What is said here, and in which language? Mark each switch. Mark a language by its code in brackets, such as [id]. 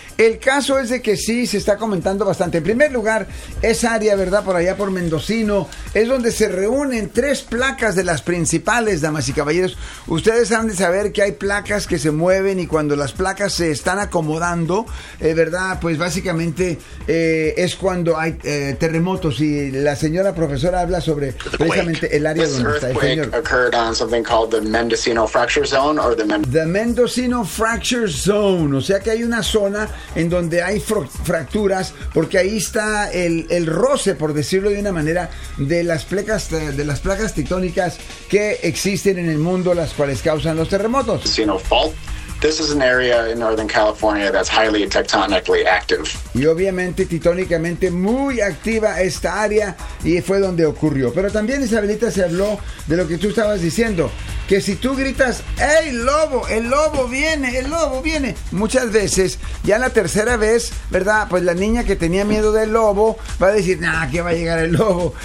[es] El caso es de que sí, se está comentando bastante. En primer lugar, esa área, ¿verdad?, por allá por Mendocino, es donde se reúnen tres placas de las principales, damas y caballeros. Ustedes han de saber que hay placas que se mueven y cuando las placas se están acomodando, ¿verdad?, pues básicamente es cuando hay terremotos. Y la señora profesora habla sobre precisamente el área donde está el señor. [en] Occurred on something called the Mendocino Fracture Zone or the Mendocino Fracture Zone. [es] O sea que hay una zona en donde hay fracturas, porque ahí está el roce, por decirlo de una manera, de las placas tectónicas que existen en el mundo, las cuales causan los terremotos. [en] This is an area in Northern California that's highly tectonically active. [es] Y obviamente, titónicamente, muy activa esta área, y fue donde ocurrió. Pero también, Isabelita, se habló de lo que tú estabas diciendo, que si tú gritas, ¡hey, lobo! ¡El lobo viene! ¡El lobo viene! Muchas veces, ya la tercera vez, ¿verdad?, pues la niña que tenía miedo del lobo va a decir, ¡nah, aquí va a llegar el lobo!